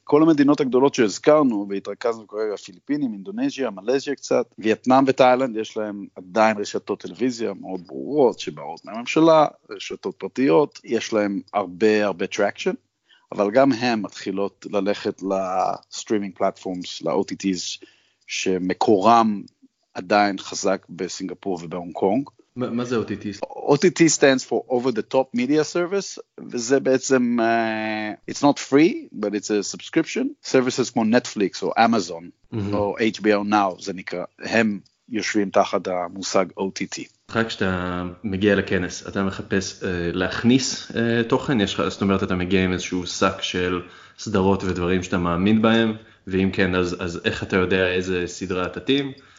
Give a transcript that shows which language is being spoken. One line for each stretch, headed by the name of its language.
Hebrew: כל המדינות הגדולות שהזכרנו, והתרכזנו כרגע, הפיליפינים, אינדונזיה, מלזיה קצת, וייטנאם ותאילנד, יש להם עדיין רשתות טלוויזיה מאוד ברורות, שבאות מהממשלה, רשתות פרטיות, יש להם הרבה הרבה טראקשן, אבל גם הם מתחילות ללכת לסטרימינג פלטפורמס, ל-OTTs, שמקורם עדיין חזק בסינגפור ובהונג קונג. מה זה OTT?
English: OTT stands for Over the Top Media Service,
Hebrew: וזה בעצם,
English: it's not free, but it's a subscription.
Hebrew: Services כמו Netflix או Amazon, או HBO Now, זה נקרא, הם יושבים תחת המושג OTT. רק שאתה מגיע לכנס, אתה מחפש להכניס תוכן, זאת אומרת, אתה מגיע עם איזשהו סק של סדרות ודברים שאתה מאמין בהם, ואם כן, אז איך אתה יודע איזה סדרה אתה תתאים?